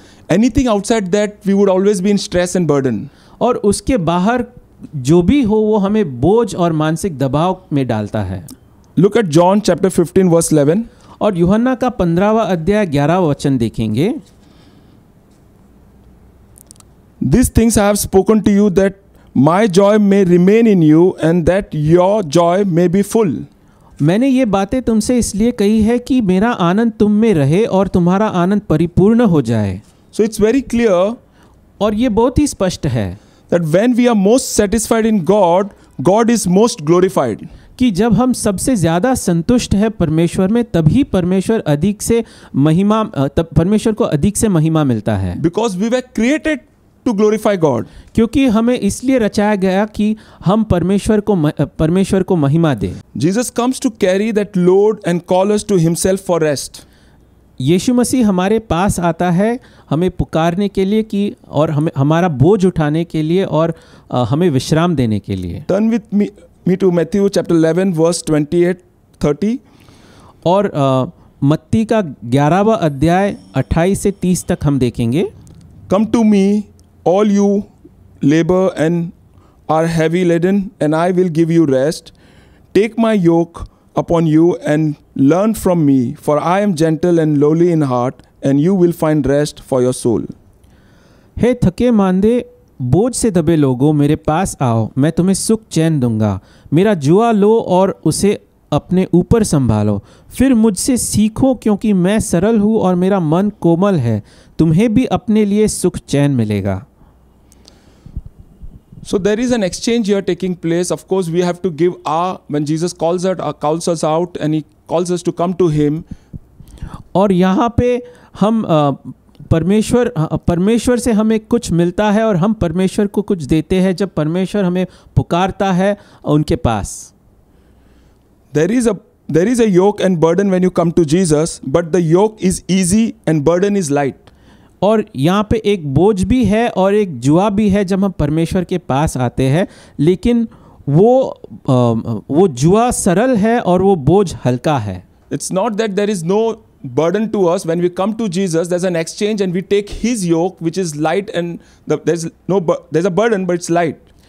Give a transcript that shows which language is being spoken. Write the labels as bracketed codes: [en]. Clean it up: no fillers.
[en] anything outside that we would always be in stress and burden, [hi] और उसके बाहर जो भी हो वो हमें बोझ और मानसिक दबाव में डालता है। [en] look at John chapter 15 verse 11 [hi] और यूहन्ना का 15वां अध्याय 11वां वचन देखेंगे। [en] These things I have spoken to you that my joy may remain in you and that your joy may be full. [hi] मैंने ये बातें तुमसे इसलिए कही है कि मेरा आनंद तुम में रहे और तुम्हारा आनंद परिपूर्ण हो जाए। [en] So it's very clear, [hi] और ये बहुत ही स्पष्ट है, [en] that when we are most satisfied in God, God is most glorified. [hi] कि जब हम सबसे ज्यादा संतुष्ट है परमेश्वर में, तभी परमेश्वर अधिक से महिमा, तब परमेश्वर को अधिक से महिमा मिलता है। [en] Because we were created to glorify God. [hi] क्योंकि हमें इसलिए रचाया गया कि हम परमेश्वर को महिमा दें। [en] Jesus comes to carry that load and call us to himself for rest. [hi] यीशु मसीह हमारे पास आता है हमें पुकारने के लिए कि और हमें हमारा बोझ उठाने के लिए और हमें विश्राम देने के लिए। [en] Turn with me to Matthew chapter 11 verse 28-30 [hi] और मत्ती का 11वां अध्याय 28 से 30 तक हम देखेंगे। [en] Come to me all you labor and are heavy laden and I will give you rest. Take my yoke upon you and learn from me, for I am gentle and lowly in heart and you will find rest for your soul. [hi] हे थके मांदे बोझ से दबे लोगों, मेरे पास आओ, मैं तुम्हें सुख चैन दूंगा। मेरा जुआ लो और उसे अपने ऊपर संभालो, फिर मुझसे सीखो क्योंकि मैं सरल हूँ और मेरा मन कोमल है, तुम्हें भी अपने लिए सुख चैन मिलेगा। [en] So there is an exchange here taking place. Of course, we have to give our, when Jesus calls us out and he calls us to come to him. [hi] और यहाँ पे हम परमेश्वर से हमें कुछ मिलता है और हम परमेश्वर को कुछ देते हैं जब परमेश्वर हमें पुकारता है उनके पास। [en] There is a yoke and burden when you come to Jesus, but the yoke is easy and burden is light. [hi] और यहाँ पे एक बोझ भी है और एक जुआ भी है जब हम परमेश्वर के पास आते हैं, लेकिन वो जुआ सरल है और वो बोझ हल्का है। [en] It's not that there is no burden to us when we come to Jesus, there is an exchange and we take his yoke which is light and there is no there is a burden but it's light.